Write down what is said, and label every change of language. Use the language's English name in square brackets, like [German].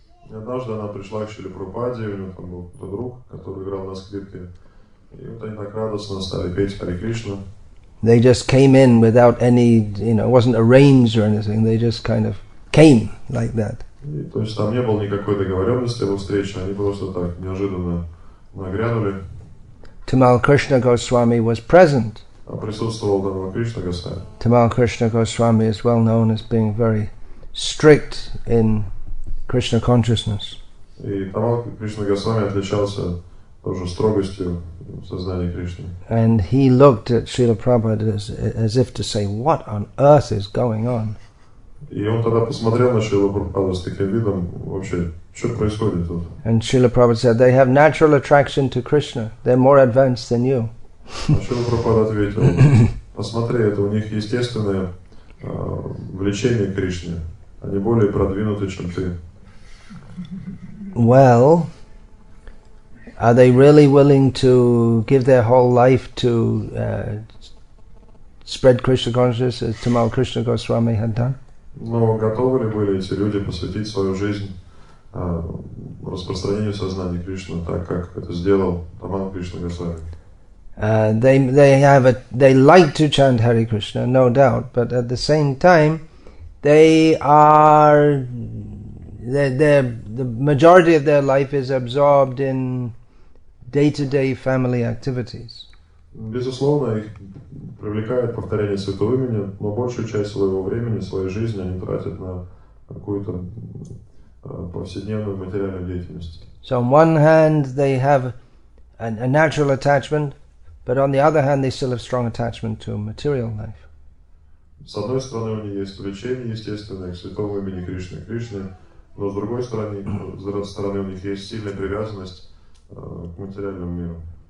[Russian] Однажды она пришла к Шриле Прабхупаде, у нее там был какой-то друг, который играл на скрипке, и вот они так радостно стали петь Hare Krishna. [English] They just came in without any, you know, it wasn't arranged or anything, they just kind of came like that. [Russian] То есть там не было никакой договоренности о встрече, они просто так неожиданно нагрянули. [English] Tamal Krishna Goswami was present. [Russian] А присутствовал Tamal Krishna Goswami. [English] Tamal Krishna Goswami is well known as being very strict in Krishna consciousness. [Russian] И Tamal Krishna Goswami отличался тоже строгостью в сознании Кришны. [English] And he looked at Srila Prabhupada as if to say, what on earth is going on? [Russian] И он тогда посмотрел на Шрилу Прабхупаду с таким видом, вообще, что происходит тут? [English] And Srila Prabhupada said, they have natural attraction to Krishna. They're more advanced than you. [Russian] А Шрила Прабхупада ответил, посмотри, это у них естественное влечение к Кришне. Они более продвинуты, чем ты. [English] Well, are they really willing to give their whole life to spread Krishna consciousness as Tamal Krishna Goswami had done? [Russian] Но готовы ли были эти люди посвятить свою жизнь распространению сознания Кришны, так как это сделал Таман Кришна Госвами? [English] They like to chant Hare Krishna, no doubt, but at the same time, the majority of their life is absorbed in day-to-day family activities. [Russian] Безусловно, их привлекает повторение святого имени, но большую часть своего времени, своей жизни они тратят на какую-то повседневную материальную деятельность. [English] So on one hand they have a natural attachment, but on the other hand they still have strong attachment to material life. [Russian] С одной стороны у них есть влечение естественное к святому имени Кришны, Кришне, но с другой стороны у них есть сильная привязанность к материальному миру.